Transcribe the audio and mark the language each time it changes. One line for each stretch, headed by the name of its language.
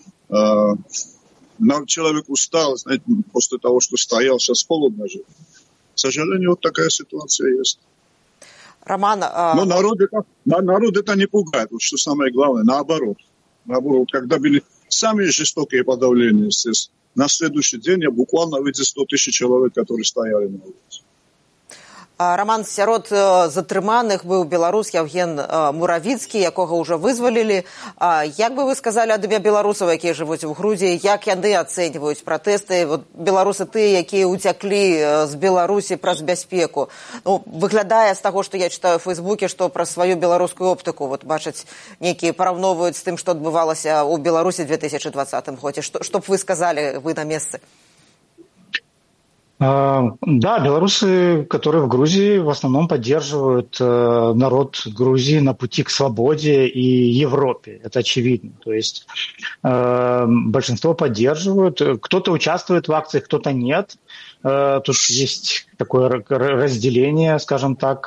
Russian: Нам человек устал, знаете, после того, что стоял, сейчас холодно же. К сожалению, вот такая ситуация есть. Роман, Но народ это не пугает, вот что самое главное, наоборот. Наоборот, когда были самые жестокие подавления, естественно, на следующий день я буквально видел 100 тысяч человек, которые стояли на улице.
Belarusian: Роман, сярод затриманых быў беларус Яўген Муравіцкі, якога ўжо вызвалілі. Як бы вы сказалі ад імя беларусаў, якія жывуць у Грузіі, як яны ацэньваюць пратэсты? Вот беларусы тыя, якія ўцяклі з Беларусі праз бяспеку. Ну, выглядае з таго, што я чытаю ў Фейсбуке, што праз сваю беларускую оптыку, вот бачаць некія параўноўваюць з тым, што адбывалася ў Беларусі ў 2020 годзе. Што б вы сказалі вы на месцы?
Russian: Да, белорусы, которые в Грузии, в основном поддерживают народ Грузии на пути к свободе и Европе. Это очевидно. То есть большинство поддерживают. Кто-то участвует в акциях, кто-то нет. Тут есть такое разделение, скажем так.